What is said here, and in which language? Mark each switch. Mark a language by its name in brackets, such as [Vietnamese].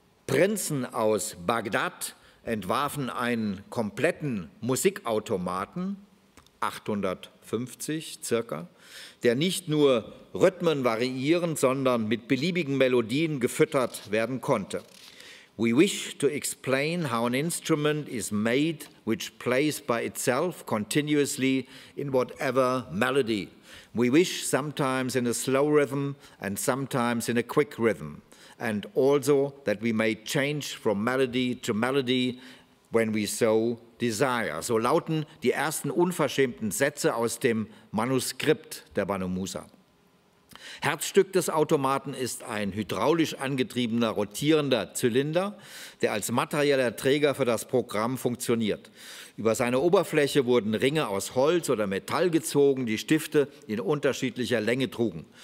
[German] Prinzen aus Bagdad entwarfen einen kompletten Musikautomaten, 850 circa, der nicht nur Rhythmen variieren, sondern mit beliebigen Melodien gefüttert werden konnte. [English] We wish to explain how an instrument is made which plays by itself continuously in whatever melody. We wish sometimes in a slow rhythm and sometimes in a quick rhythm. And also that we may change from melody to melody when we so desire. [German] So lauten die ersten unverschämten Sätze aus dem Manuskript der Banu Musa. Herzstück des Automaten ist ein hydraulisch angetriebener rotierender Zylinder, der als materieller Träger für das Programm funktioniert. Über seine Oberfläche wurden Ringe aus Holz oder Metall gezogen, die Stifte in unterschiedlicher Länge trugen.